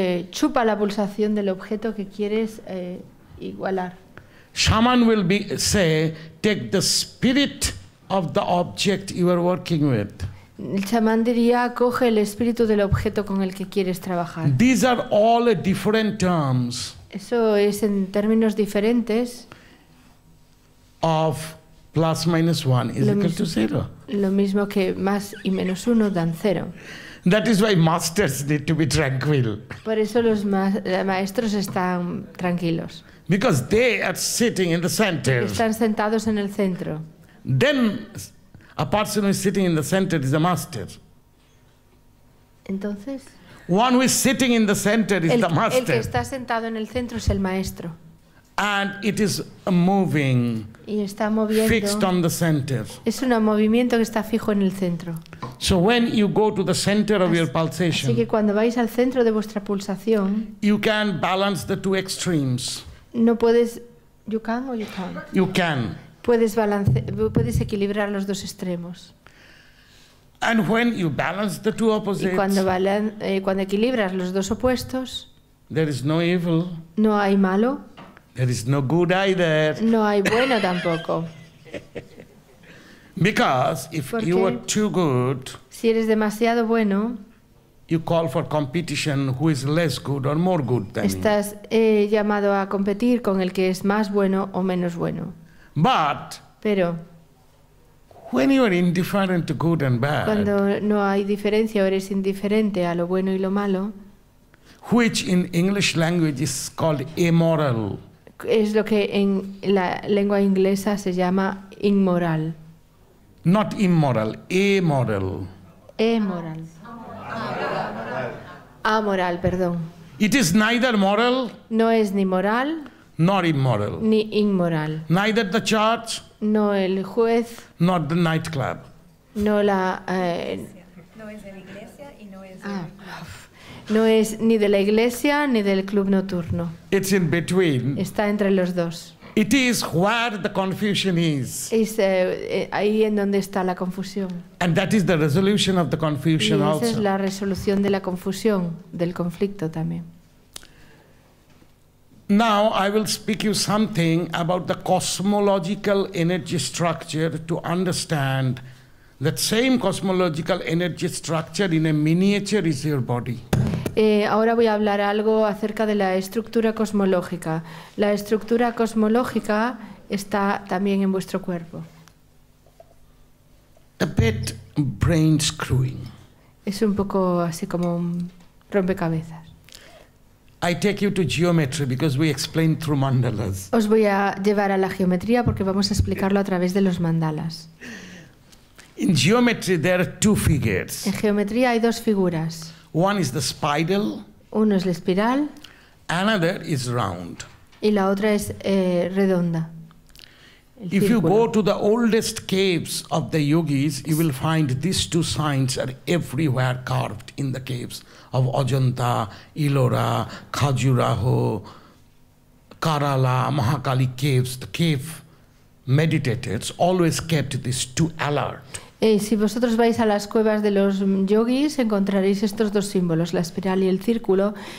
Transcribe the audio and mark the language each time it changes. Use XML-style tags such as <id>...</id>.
<es>Chupa la pulsación del objeto que quieres igualar.</es> <en>Shaman will be say, take the spirit of the object you are working with.</en> <es>El chamán diría, coge el espíritu del objeto con el que quieres trabajar.</es> <en>These are all different terms.</en> <es>Eso es en términos diferentes.</es> <en>Of plus minus one is equal to zero.</en> <es>Lo mismo que más y menos uno dan cero.</es> <en>That is why masters need to be tranquil.</en> <es>Por eso los maestros están tranquilos.</es> <en>Because they are sitting in the center.</en> <es>Están sentados en el centro.</es> <en>Then a person who is sitting in the center is a master.</en> <es>Entonces.</es> <en>One who is sitting in the center is</en> <es>el,</es> <en>the master.</en> <es>El que está sentado en el centro es el maestro.</es> <en>And it is moving.</en> <es>Y está moviendo.</es> <en>Fixed on the center.</en> <es>Es un movimiento que está fijo en el centro.</es> <en>So when you go to the center of your pulsation,</en> <es>así que cuando vais al centro de vuestra pulsación,</es> <en>you can balance the two extremes.</en> <es>No puedes,</es> <en>you can or you can't. You can.</en> <es>Puedes equilibrar los dos extremos.</es> <en>And when you balance the two opposites,</en> <es>y cuando, cuando equilibras los dos opuestos,</es> <en>there is no evil.</en> <es>No hay malo.</es> <en>There is no good either.</en> <es>No hay bueno tampoco.</es> <en>Because if</en> <es>porque</es> <en>you are too good,</en> <es>si eres demasiado bueno,</es> <en>you call for competition who is less good or more good than</en> <es>estás,</es> <en>you.</en> <es>Estás llamado a competir con el que es más bueno o menos bueno.</es> <en>But</en> <es>pero</es> <en>when you are indifferent to good and bad,</en> <es>cuando no hay diferencia o eres indiferente a lo bueno y lo malo,</es> <en>which in English language is called immoral,</en> <es>es lo que en la lengua inglesa se llama inmoral.</es> <en>Not immoral, amoral.</en> <es>Amoral. Amoral, perdón.</es> <en>It is neither moral.</en> <es>No es ni moral.</es> <en>Nor immoral.</en> <es>Ni inmoral.</es> <en>Neither the church.</en> <es>No el juez.</es> <en>Nor the nightclub.</en> <es>No la. No es de la iglesia y no es. No es ni de la iglesia ni del club nocturno.</es> <en>It's in between.</en> <es>Está entre los dos.</es> <en>It is where the confusion is.</en> <es>Es ahí en donde está la confusión.</es> <en>And that is the resolution of the confusion also.</en> <es>Y esa es la resolución de la confusión, del conflicto también.</es> <en>Now I will speak you something about the cosmological energy structure to understand that same cosmological energy structure in a miniature is your body.</en> <es>Ahora voy a hablar algo acerca de la estructura cosmológica. La estructura cosmológica está también en vuestro cuerpo.</es> <en>A bit brain screwing.</en> <es>Es un poco así como un rompecabezas.</es> <en>I take you to geometry because we explain through mandalas.</en> <es>Os voy a llevar a la geometría porque vamos a explicarlo a través de los mandalas.</es> <en>In geometry there are two figures.</en> <es>En geometría hay dos figuras.</es> <en>One is the spiral.</en> <es>Uno es la espiral.</es> <en>Another is round.</en> <es>Y la otra es redonda.</es> <en>If you go to the oldest caves of the yogis, you will find these two signs are everywhere carved in the caves of Ajanta, Ellora, Khajuraho, Karala, Mahakali caves. The cave meditators always kept these two alert.</en> <es>Si vosotros vais a las cuevas de los yogis, encontraréis estos dos símbolos, la espiral y el círculo.</es>